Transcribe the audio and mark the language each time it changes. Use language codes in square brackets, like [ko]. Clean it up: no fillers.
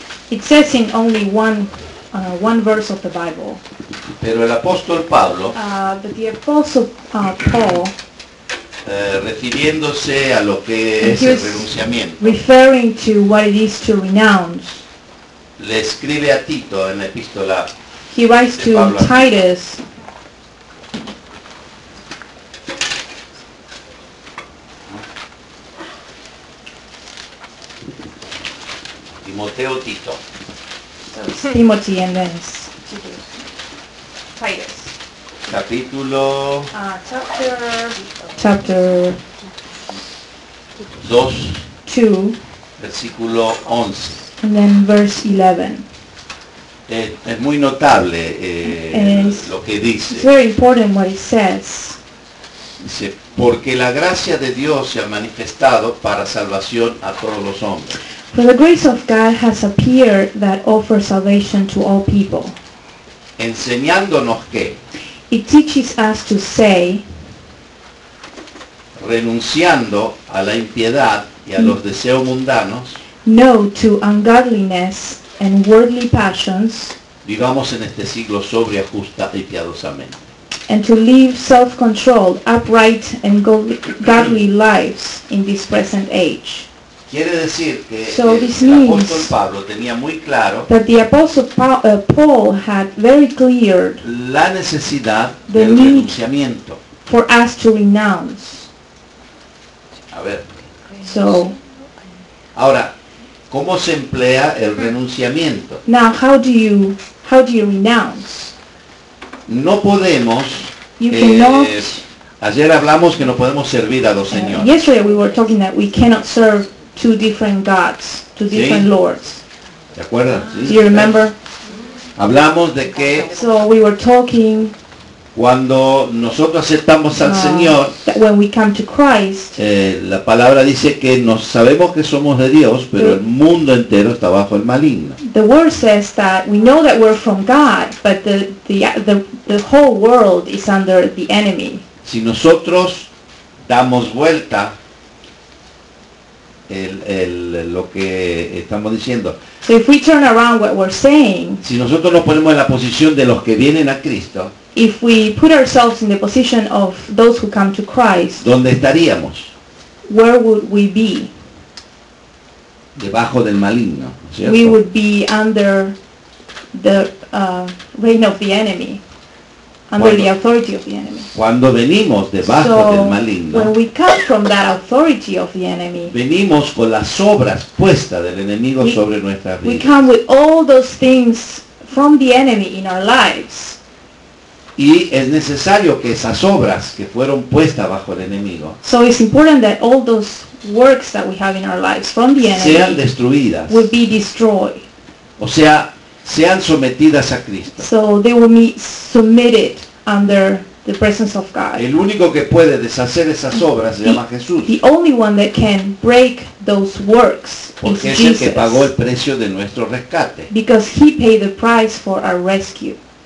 [en] It says in only one verse of the Bible. [es] Pero el apóstol Pablo refiriéndose a lo que es el renunciamiento, [en] referring to what it is to renounce, [es] le escribe a Tito en la epístola. [en] He writes to Titus. [es] Timoteo, Tito. [en] Timothy and then Titus. [es] Capítulo. [en] Chapter 2. 2. [es] Versículo 11. [en] And then verse 11. [es] Es muy notable lo que dice. [en] It's very important what it says. [es] Dice, porque la gracia de Dios se ha manifestado para salvación a todos los hombres. [en] For the grace of God has appeared that offers salvation to all people. [es] Enseñándonos que. [en] It teaches us to say. [es] Renunciando a la impiedad y a los deseos mundanos. [en] No to ungodliness and worldly passions. [es] Vivamos en este siglo sobria, justa y piadosamente. [en] And to live self-controlled, upright and godly lives in this present age. [es] Quiere decir que el apóstol Pablo tenía muy claro [en] that the apostle Paul had very clear [es] la necesidad del renunciamiento [en] for us to renounce. [es] A ver. [en] So, [es] ahora, ¿cómo se emplea el renunciamiento? [en] Now, how do you renounce? [es] No podemos. [en] You cannot. [es] Ayer hablamos que no podemos servir a dos señores. [en] Yesterday we were talking that we cannot serve two different gods, two different [es] ¿sí? [en] lords. [es] ¿Te acuerdas? [en] Do you remember? [es] Hablamos de que. [en] So we were talking. [es] Cuando nosotros aceptamos al Señor, [en] when we come to Christ, [es] la palabra dice que nos sabemos que somos de Dios, pero el mundo entero está bajo el maligno. [en] The word says that we know that we're from God, but the whole world is under the enemy. [es] Si nosotros damos vuelta lo que estamos diciendo. [en] So if we turn around what we're saying, [es] si nosotros nos ponemos en la posición de los que vienen a Cristo, [en] if we put ourselves in the position of those who come to Christ, [es] ¿dónde estaríamos? [en] Where would we be? [es] Debajo del maligno, ¿cierto? [en] We would be under the reign of the enemy, under the authority of the enemy. [es] Cuando venimos debajo del maligno, [en] when we come from that authority of the enemy, [es] venimos con las obras puestas del enemigo sobre nuestra vida. [en] We come with all those things from the enemy in our lives. [es] Y es necesario que esas obras que fueron puestas bajo el enemigo, [en] so it's important that all those works that we have in our lives from the enemy [es] sean destruidas, [en] will be destroyed. [es] O sea, sean sometidas a Cristo. [en] So they will be submitted under the presence of God. [es] El único que puede deshacer esas obras se llama Jesús. [en] The only one that can break those works [es] porque [en] is [es] es el [en] Jesus, [es] que pagó el precio de nuestro rescate. [en] Because he paid the price for our rescue.